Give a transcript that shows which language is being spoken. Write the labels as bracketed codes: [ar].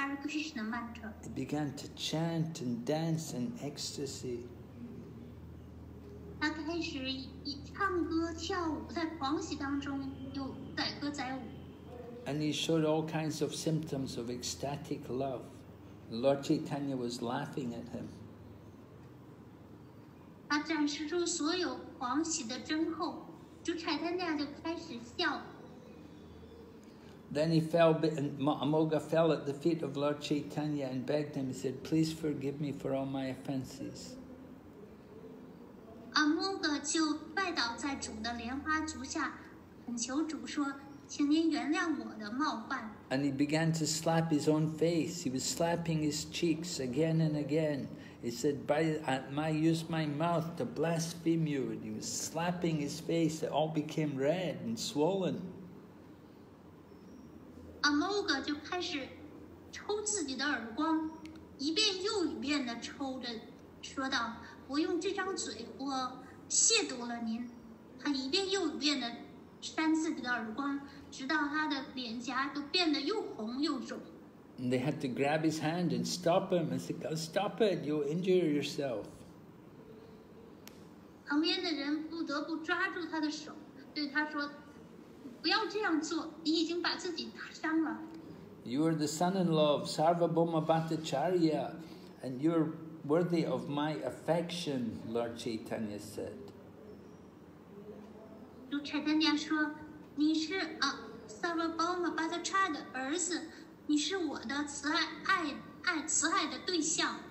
[en] He began to chant and dance in ecstasy. [zh] 他开始以唱歌跳舞，在狂喜当中又载歌载舞。 [en] And he showed all kinds of symptoms of ecstatic love. Lord Chaitanya was laughing at him. [zh] 他展示出所有狂喜的征候，主柴他那就开始笑。 [en] Then he fell, and Amoga fell at the feet of Lord Chaitanya and begged him. He said, "Please forgive me for all my offenses." [zh] 阿摩格就拜倒在主的莲花足下，恳求主说：“请您原谅我的冒犯。” [en] And he began to slap his own face. He was slapping his cheeks again and again. He said, "By my use my mouth to blaspheme you." And he was slapping his face. It all became red and swollen. [zh] 阿摩格就开始抽自己的耳光，一遍又一遍地抽着，说道。我用这张嘴，我亵渎了您。他一遍又一遍地扇自己的耳光，直到他的脸颊都变得又红又肿。 [en] And they had to grab his hand and stop him and say, "God, stop it, you'll injure yourself." [zh] 旁边的人不得不抓住他的手，对他说，不要这样做，你已经把自己打伤了。 [en] You are the son-in-law of Sarvabhauma Bhattacharya, and you're worthy of my affection, Lord Chaitanya said. [zh] 如 Chaitanya 说，你是Sarvabhauma Bhattacharya 的儿子，你是我的慈爱的对象。